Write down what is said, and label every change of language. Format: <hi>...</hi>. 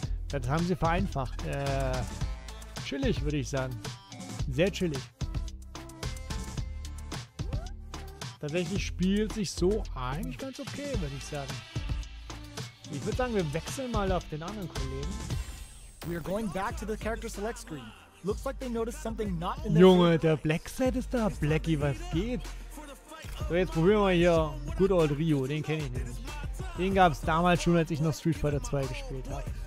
<de>Das haben sie vereinfacht. Chillig, würde ich sagen. Sehr chillig. Tatsächlich spielt sich so eigentlich ganz okay, würde ich sagen. Ich würde sagen, wir wechseln mal auf den anderen Kollegen.</de> <en>We are going back to the character select screen. Looks like they noticed something not in the</en> <de>Junge, der Black Set ist da, Blacky, was geht? So, jetzt probieren wir hier Good Old Ryu, den kenne ich nicht. Den gab es damals schon, als ich noch Street Fighter 2 gespielt habe.</de>